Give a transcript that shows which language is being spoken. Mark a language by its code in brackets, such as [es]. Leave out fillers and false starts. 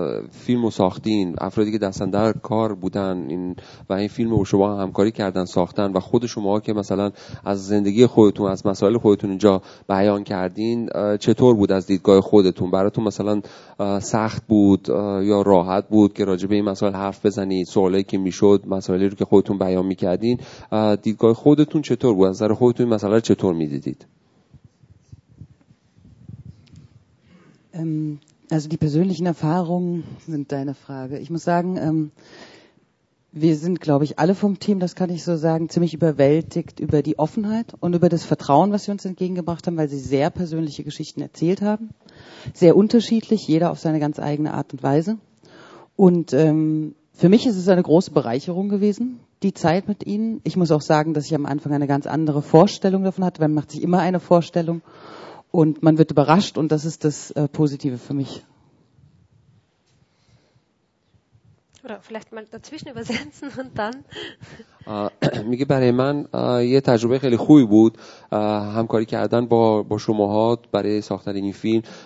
[fa] فیلم رو ساختین، افرادی که دست اندر کار بودن و این فیلم رو شما همکاری کردن ساختن و خود شما که مثلا از زندگی خودتون، از مسائل خودتون اینجا بیان کردین، چطور بود از دیدگاه خودتون؟ براتون مثلا سخت بود یا راحت بود که راجع به این مسائل حرف بزنید؟ سوالی که میشد، مسائلی رو که خودتون بیان میکردین، دیدگاه خودتون چطور بود؟ از نظر خودتون این مسئله چطور میدیدید؟ [de] Also die persönlichen Erfahrungen sind deine Frage. Ich muss sagen, wir sind, glaube ich, alle vom Team, das kann ich so sagen, ziemlich überwältigt über die Offenheit und über das Vertrauen, was sie uns entgegengebracht haben, weil sie sehr persönliche Geschichten erzählt haben. Sehr unterschiedlich, jeder auf seine ganz eigene Art und Weise. Und für mich ist es eine große Bereicherung gewesen, die Zeit mit ihnen. Ich muss auch sagen, dass ich am Anfang eine ganz andere Vorstellung davon hatte, weil man macht sich immer eine Vorstellung. Und man wird überrascht, und das ist das Positive für mich. Oder vielleicht mal dazwischen übersetzen und dann. [fa] میگه برای من یه تجربه خیلی خوبی بود همکاری کردن با شماها برای ساختن این فیلم.